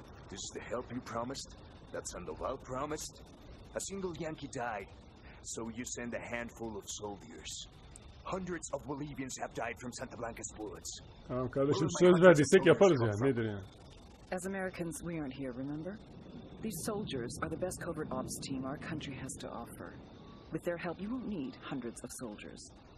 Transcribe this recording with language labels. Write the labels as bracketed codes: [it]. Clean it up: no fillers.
[en] This is the help you promised? That Sandoval promised? A single Yankee died. So you send a handful of soldiers. Hundreds of Bolivians have died from Santa Blanca's bullets. [tr] Tamam kardeşim, söz verdiysek yaparız ya. Nedir ya? [en] As Americans, we aren't here, remember? These soldiers are the best covert ops team our country has to offer. With their help, you won't need hundreds of soldiers.